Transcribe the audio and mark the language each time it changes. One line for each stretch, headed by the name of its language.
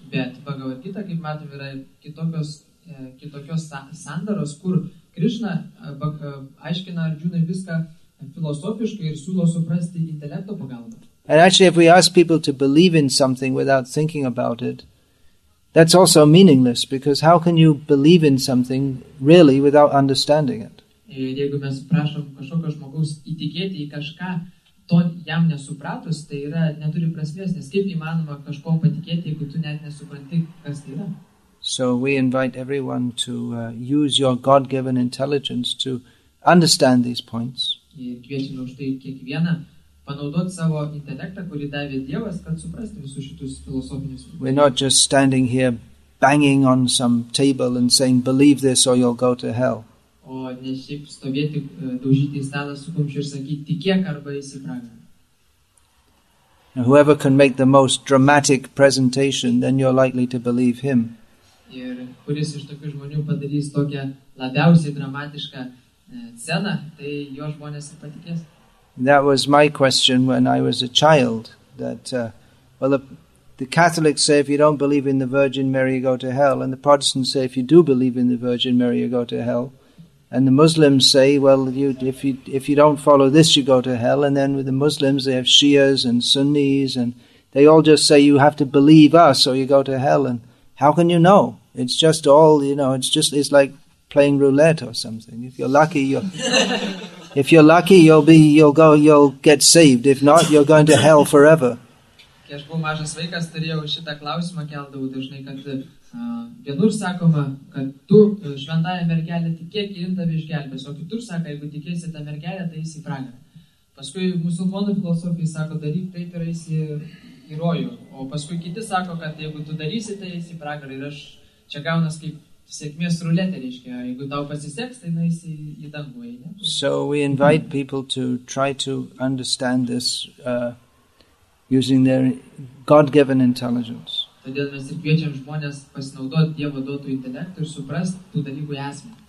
Lithuanian: Bet Bhagavad Gita, kaip matom, yra kitokios sandaros, kur Krishna aiškina Arjuna viską filosofiškai ir siūlo suprasti intelekto pagalbą.
English: And actually, if we ask people to believe in something without thinking about it, that's also meaningless, because how can you believe in something really without understanding it?
Lithuanian: Ir jeigu mes prašom kažkokio žmogaus įtikėti į kažką, to jam nesupratus, tai yra, neturi prasmės, nes kaip įmanoma kažko patikėti, jeigu tu net nesupranti, kas tai yra.
English: So we invite everyone to use your God-given intelligence to understand these points.
Lithuanian: Ir kviečiame už tai kiekvieną panaudoti savo intelektą, kurį davė Dievas, kad suprasti visus šitus filosofinius.
English: We're not just standing here banging on some table and saying, believe this or you'll go to hell.
Lithuanian: O ne šiaip stovėti, daužyti į stalą su kumščiu ir sakyti, tikėk arba esi pragaras.
English: Whoever can make the most dramatic presentation, then you're likely to believe him.
Lithuanian: Ir kuris iš tokių žmonių padarys tokią labiausiai dramatišką sceną, tai jo žmonės ir patikės.
English: That was my question when I was a child, that, the Catholics say if you don't believe in the Virgin Mary, you go to hell, and the Protestants say if you do believe in the Virgin Mary, you go to hell, and the Muslims say, well, if you don't follow this, you go to hell, and then with the Muslims, they have Shias and Sunnis, and they all just say you have to believe us or you go to hell, and how can you know? It's just all, you know, it's like playing roulette or something. If you're lucky, if you're lucky, you'll get saved. If not, you're going to hell forever.
Lithuanian: Kai aš buvau mažas vaikas, turėjau šitą klausimą keldavau dažnai, kad vienur sakoma, kad tu šventąją mergelę tikėk ir tave išgelbės, o kitur sako, jeigu tikėsi tą mergelę, tai eisi į pragarą. Paskui musulmonų filosofija sako, daryk taip ir eisi į rojų. O paskui kiti sako, kad jeigu tu darysi, tai eisi į pragarą. Ir aš čia gaunas kaip sėkmės ruletė, reiškia, jeigu tau pasiseks, tai nueisi į dangų.
English: So we invite people to try to understand this using their God-given intelligence.
Lithuanian: Todėl mes ir kviečiam žmonės pasinaudoti Dievo duotų intelektų ir suprasti tų dalykų esmę.